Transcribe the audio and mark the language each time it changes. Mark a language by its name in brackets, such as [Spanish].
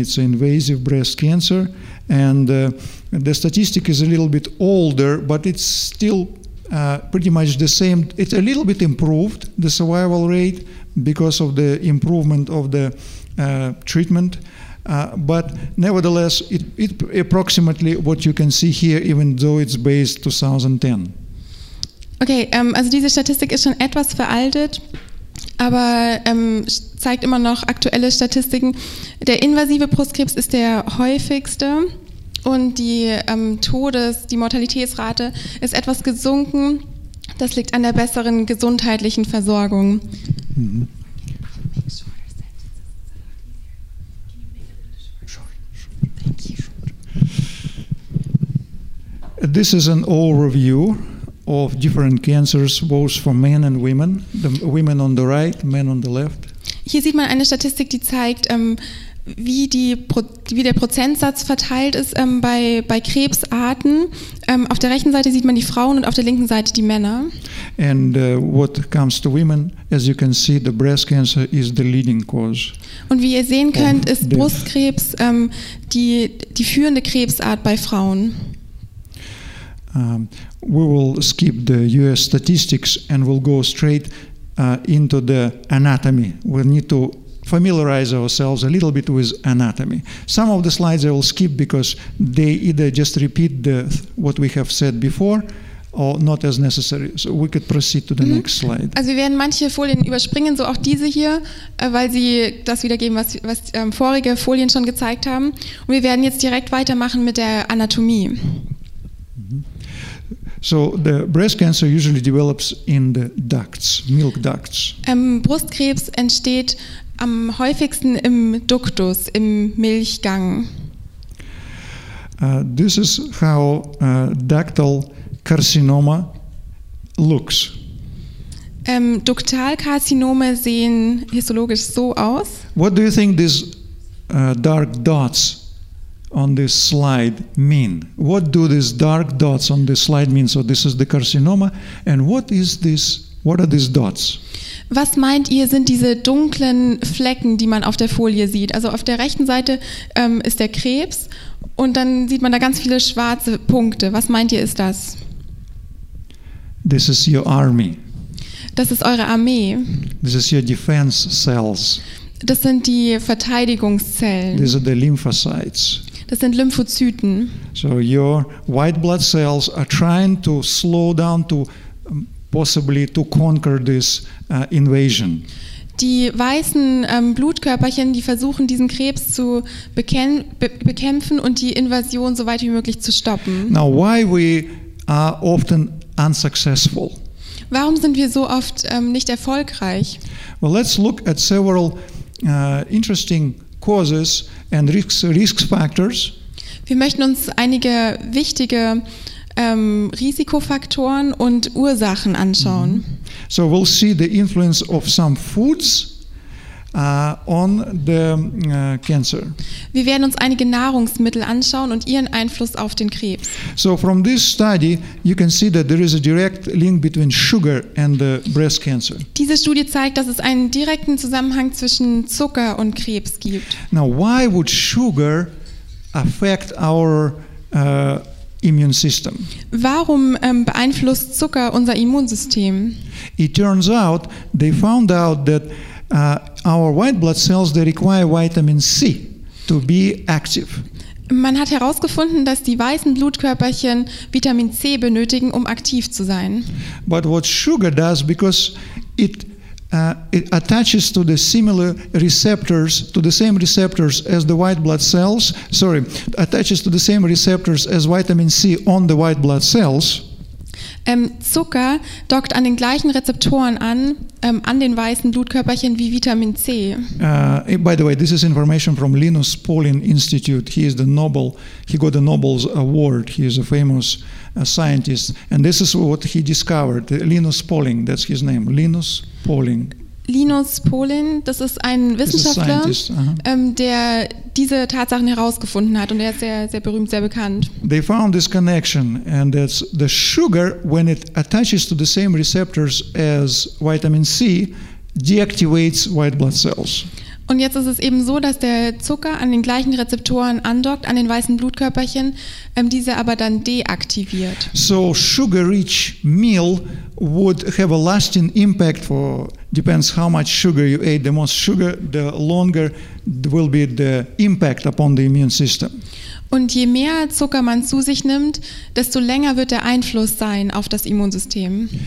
[English] It's invasive breast cancer. And the statistic is a little bit older, but it's still pretty much the same. It's a little bit improved, the survival rate, because of the improvement of the treatment. But nevertheless, it approximately what you can see here, even though it's based 2010. [German] Okay, also diese Statistik ist schon etwas veraltet, aber zeigt immer noch aktuelle Statistiken. Der invasive Brustkrebs ist der häufigste und die die Mortalitätsrate ist etwas gesunken. Das liegt an der besseren gesundheitlichen Versorgung. Mhm. [English] This is an overview of different cancers, both for men and women. The women on the right, men on the left. [German] Hier sieht man eine Statistik, die zeigt, wie der Prozentsatz verteilt ist bei Krebsarten. Auf der rechten Seite sieht man die Frauen und auf der linken Seite die Männer. [English] And what comes to women, as you can see, the breast cancer is the leading cause. [German] Und wie ihr sehen könnt, ist Brustkrebs die führende Krebsart bei Frauen. [English] We will skip the US statistics and we'll go straight into the anatomy. We need to familiarize ourselves a little bit with anatomy. Some of the slides I will skip because they either just repeat what we have said before or not as necessary. So we could proceed to the next slide. [German] Also wir werden manche Folien überspringen, so auch diese hier, weil sie das wiedergeben, was vorige Folien schon gezeigt haben. Und wir werden jetzt direkt weitermachen mit der Anatomie. [English] So the breast cancer usually develops in the ducts, milk ducts. [German] Brustkrebs entsteht am häufigsten im Duktus, im Milchgang. [English] This is how ductal carcinoma looks. [German] Duktalkarzinome sehen histologisch so aus. [English] What do you think these dark dots on this slide mean? What do these dark dots on this slide mean? So this is the carcinoma, and what is this? What are these dots? [German] Was meint ihr, sind diese dunklen Flecken, die man auf der Folie sieht? Also auf der rechten Seite ist der Krebs und dann sieht man da ganz viele schwarze Punkte. Was meint ihr, ist das? [English] This is your army. [German] Das ist eure Armee. [English] This is your defense cells. [German] Das sind die Verteidigungszellen. [English] These are the lymphocytes. [German] Das sind Lymphozyten. [English] So your white blood cells are trying to slow down to possibly to conquer this invasion. [German] Die weißen Blutkörperchen, die versuchen diesen Krebs zu bekämpfen und die Invasion so weit wie möglich zu stoppen. [English] Now why we are often unsuccessful? [German] Warum sind wir so oft nicht erfolgreich? [English] Well, let's look at several interesting causes and risk factors. [German] Wir möchten uns einige wichtige Risikofaktoren und Ursachen anschauen. Mm-hmm. [English] So we'll see the influence of some foods on the cancer. [German] Wir werden uns einige Nahrungsmittel anschauen und ihren Einfluss auf den Krebs. [English] So from this study you can see that there is a direct link between sugar and the breast cancer. [German] Diese Studie zeigt, dass es einen direkten Zusammenhang zwischen Zucker und Krebs gibt. [English] Now why would sugar affect our immune system? [German] Warum beeinflusst Zucker unser Immunsystem? [English] It turns out they found out that our white blood cells, they require vitamin C to be active. [German] Man hat herausgefunden, dass die weißen Blutkörperchen Vitamin C benötigen, um aktiv zu sein. [English] But what sugar does, because it attaches to the similar receptors, to the same receptors as the white blood cells, sorry, attaches to the same receptors as vitamin C on the white blood cells. [German] Zucker dockt an den gleichen Rezeptoren an, an den weißen Blutkörperchen wie Vitamin C. [English] By the way, this is information from Linus Pauling Institute. He is the Nobel, he got the Nobel's Award. He is a famous scientist. And this is what he discovered. Linus Pauling, that's his name. Linus Pauling. [German] Linus Pauling, das ist ein Wissenschaftler, der diese Tatsachen herausgefunden hat, und er ist sehr, sehr berühmt, sehr bekannt. [English] They found this connection, and that's the sugar, when it attaches to the same receptors as vitamin C, deactivates white blood cells. [German] Und jetzt ist es eben so, dass der Zucker an den gleichen Rezeptoren andockt, an den weißen Blutkörperchen, diese aber dann deaktiviert. [English] So sugar-rich meal would have a lasting impact for, depends how much sugar you ate. The more sugar, the longer will be the impact upon the immune system. [German] Und je mehr Zucker man zu sich nimmt, desto länger wird der Einfluss sein auf das Immunsystem.